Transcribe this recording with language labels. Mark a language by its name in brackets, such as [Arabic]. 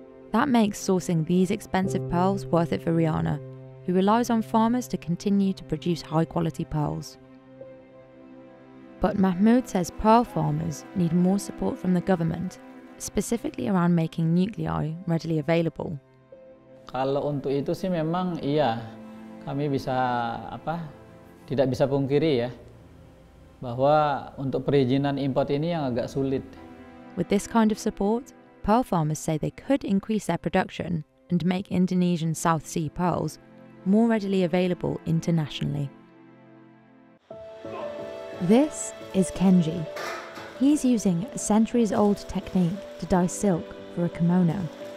[English] That makes sourcing these expensive pearls worth it for Rihanna, who relies on farmers to continue to produce high-quality pearls. But Mahmoud says pearl farmers need more support from the government, specifically around making nuclei readily available. [Indonesian] Kalau untuk itu sih memang iya, kami bisa apa? Tidak bisa pungkiri ya, bahwa untuk perizinan import ini yang agak sulit. [English] With this kind of support, pearl farmers say they could increase their production and make Indonesian South Sea pearls more readily available internationally. This is Kenji. He's using a centuries-old technique to dye silk for a kimono.